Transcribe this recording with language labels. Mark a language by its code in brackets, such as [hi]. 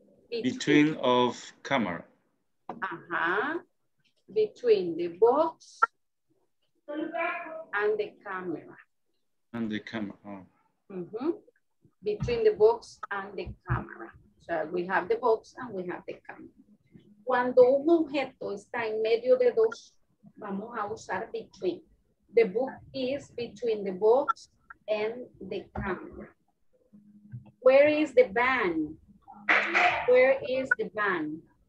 [en] between of camera. Uh-huh. Between the box and the camera. And the camera. Mm-hmm. Between the box and the camera. So we have the box and we have the camera. [es] Cuando un objeto está en medio de dos, vamos a usar between. [en] The book is between the box and the camera. Where is the van? Where is the van?